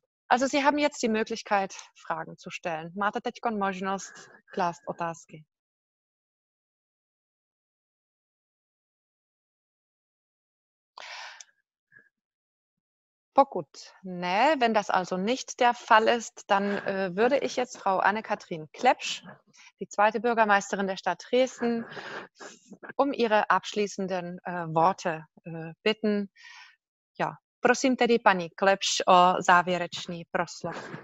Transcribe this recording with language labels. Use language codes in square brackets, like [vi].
[de] Also Sie haben jetzt die Möglichkeit, Fragen zu stellen. [cs] Máte teďkon možnost klást otázky. Pokud ne, [de] wenn das also nicht der Fall ist, dann würde ich jetzt Frau Anne-Kathrin Klepsch, die zweite Bürgermeisterin der Stadt Dresden, um ihre abschließenden Worte bitten. Ja. [cs] Prosím tedy paní Klepsch o závěrečný proslov.